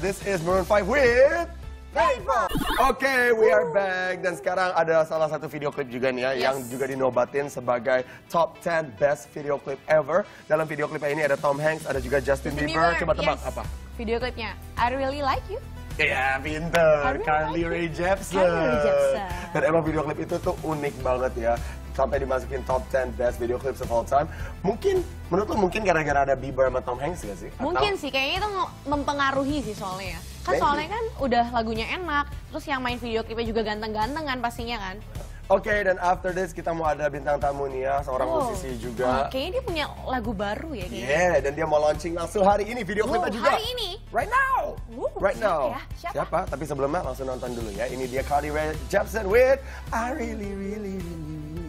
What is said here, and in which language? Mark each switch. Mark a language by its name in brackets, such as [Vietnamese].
[English] This is Maroon 5 with Okay, we are back. [Indonesian] Dan sekarang ada salah satu video klip juga nih ya, [English] yes, [Indonesian] yang juga dinobatin sebagai [English] top 10 best video klip ever. [Indonesian] Dalam video klip ini ada Tom Hanks, ada juga Justin Bieber. Coba tebak, [English] yes, [Indonesian] apa? Video klipnya, I Really Like You. Iya, pinter. Kylie Rae Jepsen. Dan emang video klip itu tuh unik banget ya, sampai dimasukin [English] top 10 best video clips of all time. [Indonesian] Mungkin, menurut lo mungkin gara-gara ada Bieber sama Tom Hanks gak sih? Mungkin sih, kayaknya itu mempengaruhi sih soalnya ya. Kan soalnya kan udah lagunya enak, terus yang main video clipnya juga ganteng-ganteng kan pastinya kan. Oke, dan [English] after this [Indonesian] kita mau ada bintang tamu nih ya, seorang musisi juga. Kayaknya dia punya lagu baru ya. Iya, dan dia mau launching langsung hari ini video clipnya juga. Hari ini? [English] Right now! Right now. [Indonesian] Siapa? Siapa? Tapi sebelumnya langsung nonton dulu ya. Ini dia Kylie Rae Jepsen with I Really Really Really.